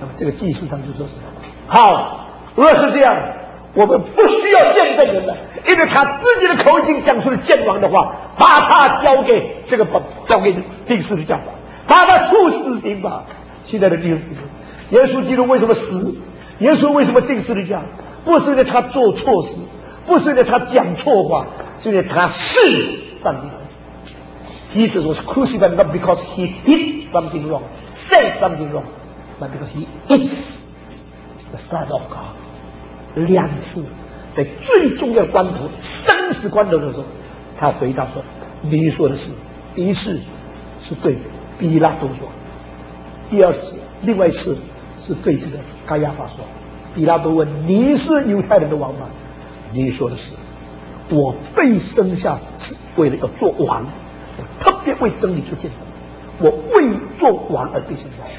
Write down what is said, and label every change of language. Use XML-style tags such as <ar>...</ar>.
<zh>那么这个祭司长就说什么：“好，若是这样，我们不需要见证人了，因为他自己的口已经讲出了见王的话，把他交给这个本，交给定死的教法，把他处死刑吧。” 现在的弟兄姊妹，耶稣基督为什么死？耶稣为什么定死的教？不是因为他做错事，不是因为他讲错话，是因为他是上帝的儿子。</zh> <en>Jesus was crucified not because he did something wrong, said something wrong, but because he is the Son of God.</en> <zh>两次在最重要关头，生死关头的时候，他回答说：“你说的是，一次是对比拉多说，第二次，另外一次是对这个该亚法说。” 比拉多问：“你是犹太人的王吗？”“你说的是，我被生下是为了要做王，我特别为真理做见证，我为做王而被生下。</zh>